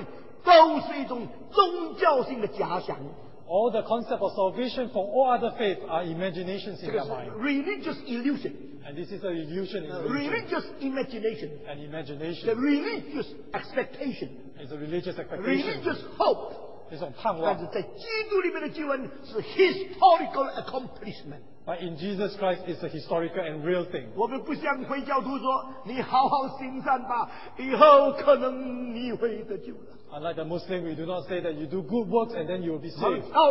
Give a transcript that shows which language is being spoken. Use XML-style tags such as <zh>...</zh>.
<zh>所以宗教里面的救赎或者他们得救的观念都是一种宗教性的假想。</zh> <en>All the concept of salvation from all other faiths are imaginations in their mind. Religious illusion. And this is an illusion. Religious imagination. An imagination. The religious expectation. It's a religious expectation. Religious hope.</en> <zh>但是在基督里面的救恩是</zh> <en>historical accomplishment. But in Jesus Christ, it's a historical and real thing.</en> <zh>我们不像回教徒说，你好好行善吧，以后可能你会得救了。</zh> <en>Unlike the Muslim, we do not say that you do good works and then you will be saved.</en>